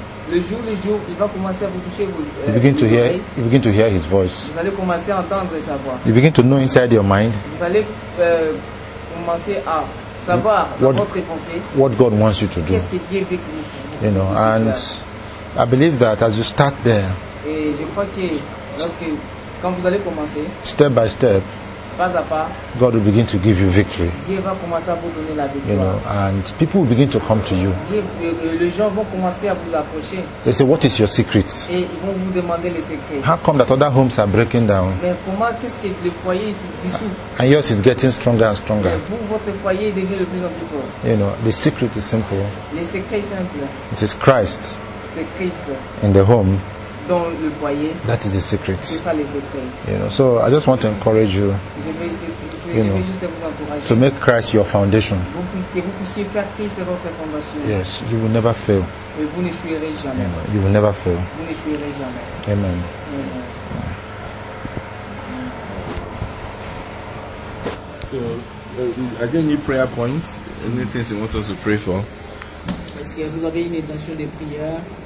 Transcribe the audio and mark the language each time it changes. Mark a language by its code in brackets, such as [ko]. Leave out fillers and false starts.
[fr] Le jour, il va commencer à vous toucher. [en] You begin to hear His voice. [fr] Vous allez commencer à entendre sa voix. [en] You begin to know inside your mind. [fr] Vous allez commencer à savoir votre pensée. [en] What God wants you to do. [fr] Qu'est-ce que Dieu veut que vous fassiez. [en] You know, and I believe that as you start there. [fr] Et je crois que quand vous allez commencer. [en] Step by step. [fr] Pas à pas. [en] God will begin to give you victory. [fr] Dieu va commencer à vous donner la victoire. [en] You know, and people will begin to come to you. [fr] Les gens vont commencer à vous approcher. [en] They say, "What is your secret?" [fr] Et ils vont vous demander les secrets. [en] How come that other homes are breaking down? [fr] Mais comment est-ce que le foyer se dissout? [en] And yours is getting stronger and stronger. [fr] Et vous, votre foyer devient de plus en plus fort. [en] You know, the secret is simple. [fr] Le secret est simple. [en] It is Christ. [fr] C'est Christ. [en] In the home. [fr] Dans le foyer. [en] That is the secret. [fr] C'est ça, les secrets. [en] You know, so I just want to encourage you. [fr] Je veux juste vous encourager. [en] To make Christ your foundation. [fr] Que vous puissiez faire Christ votre fondation. [en] Yes, you will never fail. [fr] Et vous n'échouerez jamais. [en] You know, you will never fail. [fr] Vous n'échouerez jamais. [en] Amen. So, are there any prayer points? Anything you want us to pray for? [fr] Est-ce que vous avez une intention de prière?